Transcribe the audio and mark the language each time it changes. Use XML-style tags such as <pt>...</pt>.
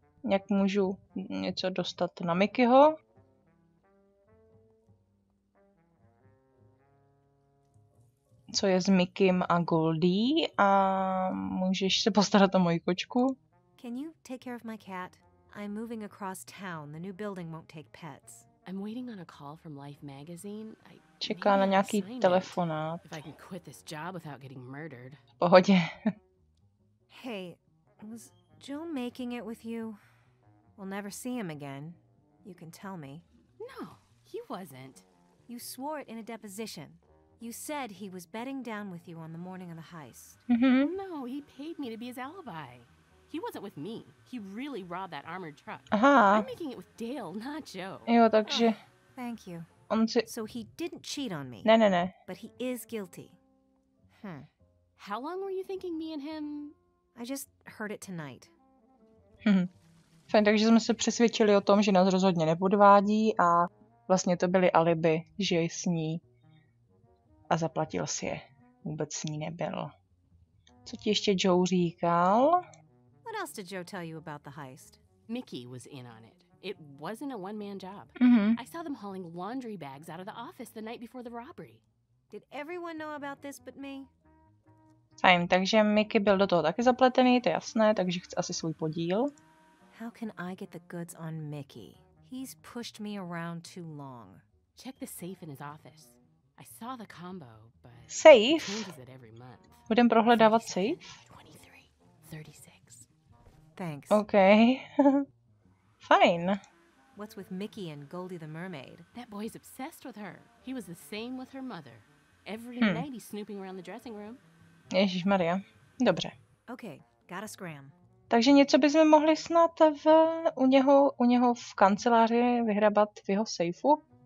<cs>Jak můžu něco dostat na Mickeyho? Co je s Mickeym a Goldie? A můžeš se postarat o moji kočku?</cs> <en>Can you take care of my cat? I'm moving across town. The new building won't take pets. I'm waiting on a call from Life magazine.</en> <cs>Čeká na nějaký telefonát.</cs> <en>If I can quit this job without getting murdered.</en> <cs>Pohodě.</cs> <en>Hey, was Joe making it with you? We'll never see him again. You can tell me. No, he wasn't. You swore it in a deposition. You said he was bedding down with you on the morning of the heist. No, he paid me to be his alibi. He wasn't with me. He really robbed that armored truck. Aha. I'm making it with Dale, not Joe.</en> <cs>Jo, takže... Oh,</cs> <en>thank you.</en> <cs>On si...</cs> <en>So he didn't cheat on me.</en> <cs>Ne, ne, ne.</cs> <en>But he is guilty. Hmm. How long were you thinking me and him? I just heard it tonight. Hmm.</en> <cs>Fajn, takže jsme se přesvědčili o tom, že nás rozhodně nepodvádí a vlastně to byly alibi, že s ní a zaplatil si je. Vůbec s ní nebyl. Co ti ještě Joe říkal?</cs> <en>What else did Joe tell you about the heist? Mickey was in on it. It wasn't a one-man job. Mm-hmm. I saw them hauling laundry bags out of the office the night before the robbery. Did everyone know about this but me?</en> <cs>Fajn, takže Mickey byl do toho taky zapletený, to je jasné, takže chce asi svůj podíl.</cs> <en>How can I get the goods on Mickey? He's pushed me around too long. Check the safe in his office. I saw the combo, but... Safe? He changes it every month.</en> <cs>Budem prohledávat safe?</cs> <en>23, 36. Thanks. Okay. Fine. What's with Mickey and Goldie the mermaid? That boy's obsessed with her. He was the same with her mother. Every night he's snooping around the dressing room.</en> <cs>Ježišmarja. Dobře.</cs> <en>Okay, gotta scram.</en> <cs>Takže něco bychom mohli snad u něho v kanceláři vyhrabat v jeho sejfu.</cs>